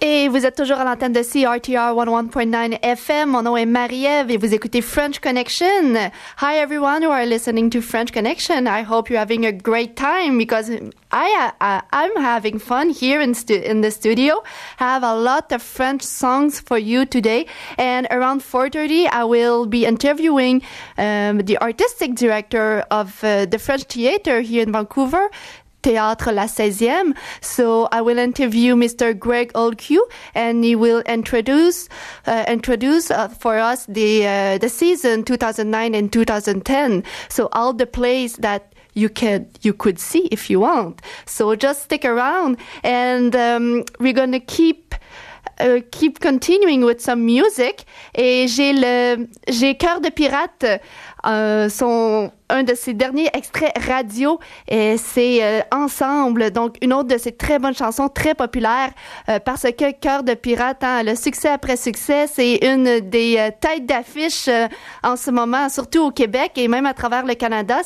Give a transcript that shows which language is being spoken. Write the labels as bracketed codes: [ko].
[fr] vous êtes toujours à l'antenne de CRTR 101.9 FM. Mon nom est Marie-Ève et vous écoutez French Connection. [en] Hi everyone who are listening to French Connection. I hope you're having a great time because I'm having fun here in the studio. I have a lot of French songs for you today. And around 4:30, I will be interviewing the artistic director of the French Theater here in Vancouver, Théâtre La 16e. So I will interview Mr. Greg Olcue, and he will introduce for us the season 2009 and 2010. So all the plays that you could see if you want. So just stick around, and we're gonna keep continuing with some music. [fr] Et j'ai Cœur de Pirate. Un de ses derniers extraits radio, et c'est Ensemble, donc une autre de ses très bonnes chansons, très populaires, parce que Cœur de Pirate, hein, le succès après succès, c'est une des têtes d'affiche en ce moment, surtout au Québec et même à travers le Canada.